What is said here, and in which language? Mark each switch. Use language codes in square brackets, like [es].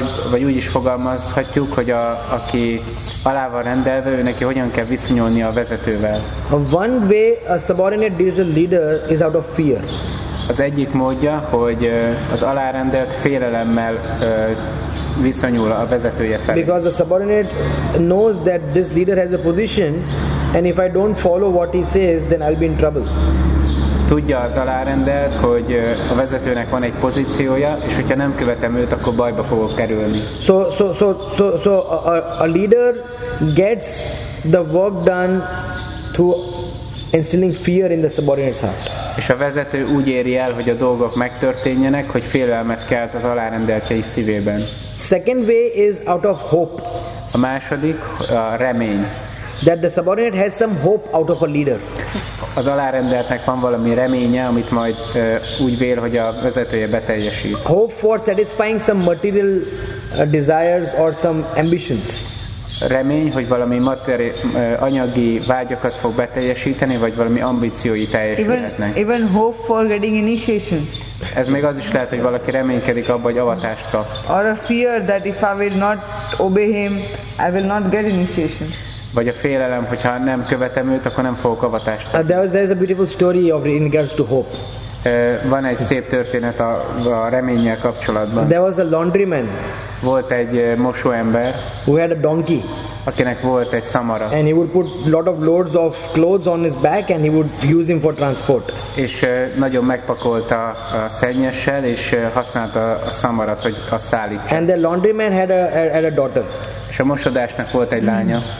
[hu] Vagy úgy is fogalmazhatjuk, hogy aki alá van rendelve, ő neki hogyan kell viszonyulni a vezetővel. [en] One way a subordinate deals with leader is out of fear. [hu] Az egyik módja, hogy az alárendelt félelemmel viszonyul a vezetője felé. [en] Because the subordinate knows that this leader has a position, and if I don't follow what he says, then I'll be in trouble. [hu] Tudja az alárendelt, hogy a vezetőnek van egy pozíciója, és hogyha nem követem őt, akkor bajba fogok kerülni. [en] So a leader gets the work done through instilling fear in the subordinate's heart. [hu] És a vezető úgy éri el, hogy a dolgok megtörténjenek, hogy félelmet kelt az alárendeltjei szívében. [en] Second way is out of hope. [hu] A második a remény. [en] That the subordinate has some hope out of a leader. [hu] Az alárendeltnek van valami reménye, amit majd úgy vél, hogy a vezetője beteljesít. [en] Hope for satisfying some material desires or some ambitions. [hu] Remény, hogy valami anyagi vágyakat fog beteljesíteni, vagy valami ambíciói teljesülhetnek. [en] Even hope for getting initiation. [hu] Ez még az is lehet, hogy valaki reménykedik abban, hogy avatást kap. [en] Or a fear that if I will not obey him, I will not get initiation. [hu] Vagy a félelem, hogyha nem követem őt, akkor nem fogok avatást kapni. [en] There is a beautiful story of in regards to hope. [hu] Van egy szép történet a reménnyel kapcsolatban. [en] There was a laundryman. [hu] Volt egy mosóember. [en] Who had a donkey. [hu] Akinek volt egy szamara. [en] And he would put lot of loads of clothes on his back and he would use him for transport. [hu] És nagyon megpakolta a szennyessel és használta a szamarat, hogy azt szállítsa. [en] And the laundryman had a daughter. [hu] És a mosodásnak volt egy lánya.